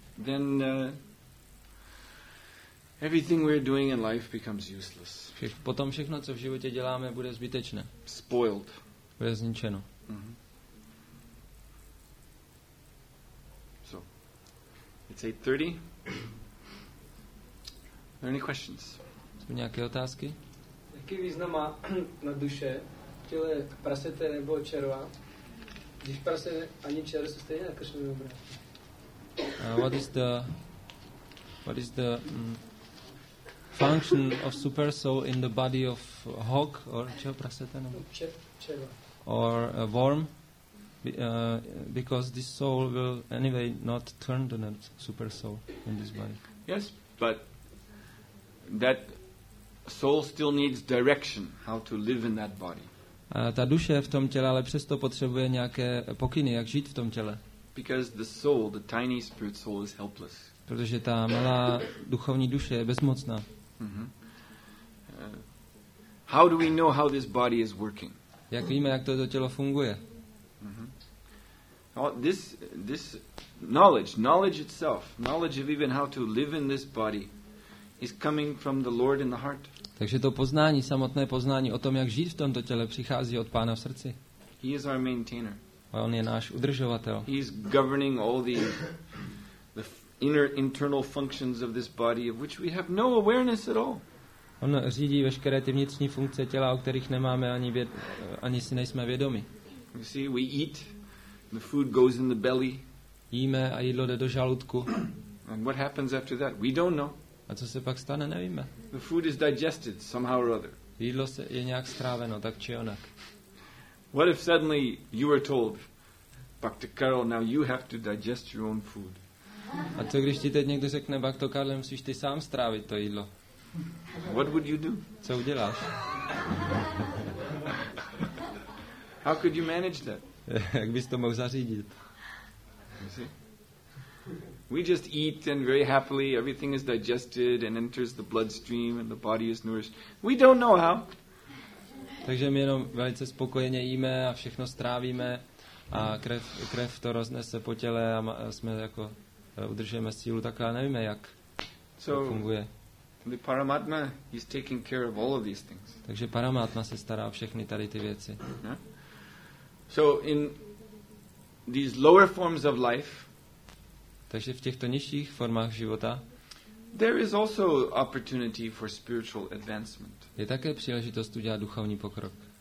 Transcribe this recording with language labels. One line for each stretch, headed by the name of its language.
English: then everything we're doing in life becomes useless.
Czech: Potom všechno, co v životě děláme, bude zbytečné.
English: Spoiled.
Czech: Bude zničeno.
English: It's 8:30. Are there any questions?
Czech: Jsou nějaké otázky? Jaký význam má na duše těle prasete nebo červa? Když prase ani červ jsou stejně na Krišnově obrázku.
English: What is the function of super soul in the body of hog or
Czech: čeho prasete nebo? Červa.
English: Or a worm? Because this soul will anyway not turn to a super soul in this body. Yes, but that soul still needs direction how to live in that body.
Czech: Ta duše v tom těle ale přesto potřebuje nějaké pokyny, jak žít v tom těle.
English: Because the soul, the tiny spirit soul, is helpless.
Czech: Protože ta malá duchovní duše je bezmocná.
English: How do we know how this body is working?
Czech: Jak víme, jak to tělo funguje? Mm-hmm.
English: This knowledge itself, knowledge of even how to live in this body, is coming from the Lord in the heart.
Czech: Takže to poznání, samotné poznání o tom, jak žít v tomto těle, přichází od Pána v srdci.
English: He is our maintainer.
Czech: A on je náš udržovatel.
English: He is governing all the inner internal functions of this body, of which we have no awareness at all.
Czech: On řídí veškeré ty vnitřní funkce těla, o kterých nemáme ani si nejsme vědomi.
English: You see, we eat, the food goes in the belly.
Czech: Jíme a jídlo jde do žaludku.
English: And what happens after that? We don't know.
Czech: A co se pak stane, nevíme.
English: The food is digested somehow or other.
Czech: Jídlo se je nějak stráveno, tak či onak.
English: What if suddenly you were told, Bakto Karel, now you have to digest your own food.
Czech: A co když ti teď někdo řekne, Bakto Karel, musíš ty sám strávit to jídlo?
English: What would you do?
Czech: Co uděláš?
English: How could you manage that?
Czech: Jak bys to mohl zařídit?
English: We just eat and very happily everything is digested and enters the bloodstream and the body is nourished. We don't know how.
Czech: Takže my jenom velice spokojeně jíme a všechno strávíme a krev to roznese po těle a jsme jako udržujeme sílu, takhle nevíme jak to funguje.
English: The Paramatma is taking care of all of these things.
Czech: Takže Paramatma se stará o všechny tady ty věci.
English: Yeah? So in these lower forms of life,
Czech: takže v těchto nižších formách života
English: there is also opportunity for spiritual advancement.
Czech: Je také příležitost udělat duchovní pokrok.